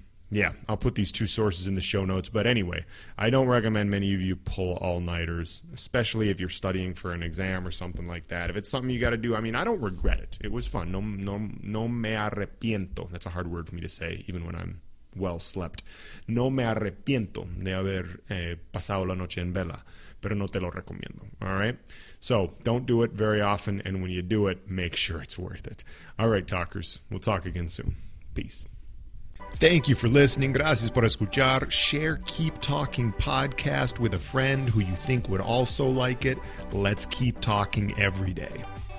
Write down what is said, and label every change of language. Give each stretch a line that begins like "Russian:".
English: Yeah, I'll put these two sources in the show notes. But anyway, I don't recommend many of you pull all-nighters, especially if you're studying for an exam or something like that. If it's something you got to do, I mean, I don't regret it. It was fun.
Spanish: No me arrepiento.
English: That's a hard word for me to say, even when I'm well slept.
Spanish: No me arrepiento de haber pasado la noche en vela, pero no te lo recomiendo.
English: All right? So don't do it very often, and when you do it, make sure it's worth it. All right, talkers. We'll talk again soon. Peace. Thank you for listening.
Spanish: Gracias por escuchar.
English: Share Keep Talking Podcast with a friend who you think would also like it. Let's keep talking every day.